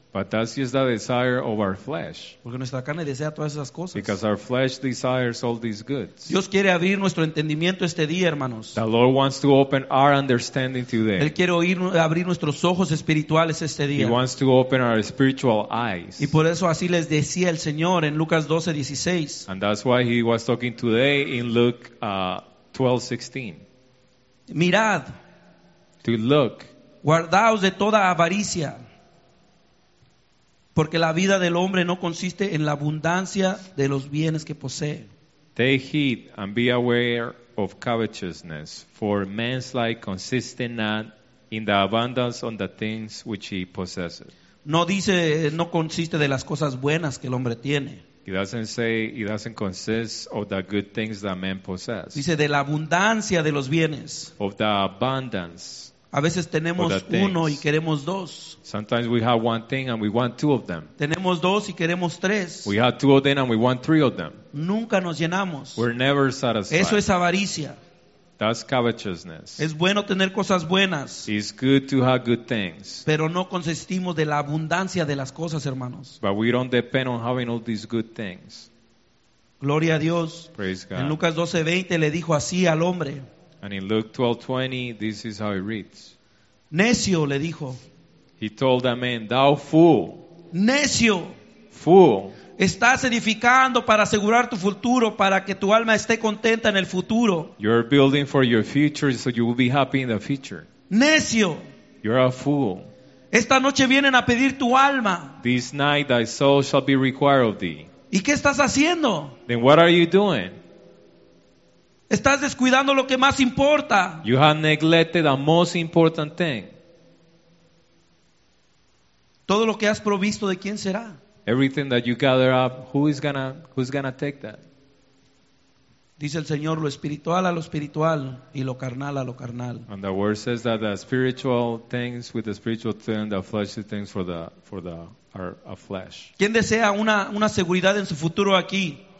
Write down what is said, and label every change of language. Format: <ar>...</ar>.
<en>But that's just the desire of our flesh.</en> <es>Porque nuestra carne desea todas esas cosas.</es> <en>Because our flesh desires all these goods.</en> <es>Dios quiere abrir nuestro entendimiento este día, hermanos.</es> <en>The Lord wants to open our understanding today.</en> <es>Él quiere abrir nuestros ojos espirituales este día.</es> <en>He wants to open our spiritual eyes.</en> <es>Y por eso así les decía el Señor en Lucas 12:16.</es> <en>And that's why he was talking today in Luke 12:16.</en> <es>Mirad.</es> <en>To look.</en> <es>Guardaos de toda avaricia. Porque la vida del hombre no consiste en la abundancia de los bienes que posee.</es> <en>Take heed and be aware of covetousness, for man's life consists not in the abundance of the things which he possesses.</en> <es>No dice, no consiste de las cosas buenas que el hombre tiene.</es> <en>He doesn't say it doesn't consist of the good things that man possesses.</en> <es>Dice de la abundancia de los bienes.</es> <en>Of the abundance.</en> <es>A veces tenemos uno y queremos dos.</es> <en>Sometimes we have one thing and we want two of them.</en> <es>Tenemos dos y queremos tres.</es> <en>We have two of them and we want three of them.</en> <es>Nunca nos llenamos.</es> <en>We're never satisfied.</en> <es>Eso es avaricia.</es> <en>That's covetousness.</en> <es>Es bueno tener cosas buenas.</es> <en>It's good to have good things.</en> <es>Pero no consistimos de la abundancia de las cosas, hermanos.</es> <en>But we don't depend on having all these good things.</en> <es>Gloria a Dios.</es> <en>Praise God.</en> <es>En Lucas 12:20 le dijo así al hombre.</es> <en>And in Luke 12:20, this is how it reads.</en> <es>Necio, le dijo.</es> <en>He told the man, thou fool.</en> <es>Necio.</es> <en>Fool.</en> <es>Estás edificando para asegurar tu futuro, para que tu alma esté contenta en el futuro.</es> <en>You're building for your future so you will be happy in the future.</en> <es>Necio.</es> <en>You're a fool.</en> <es>Esta noche vienen a pedir tu alma.</es> <en>This night thy soul shall be required of thee.</en> <es>¿Y qué estás haciendo?</es> <en>Then what are you doing?</en> <es>Estás descuidando lo que más importa.</es> <en>You have neglected the most important thing.</en> <es>Todo lo que has provisto, ¿de quién será?</es> <en>Everything that you gather up, who's gonna take that?</en> <es>Dice el Señor, lo espiritual a lo espiritual y lo carnal a lo carnal.</es> <en>And the word says that the spiritual things with the spiritual things, the fleshly things for the are a flesh.</en> <es>¿Quién desea una seguridad en su futuro aquí?</es>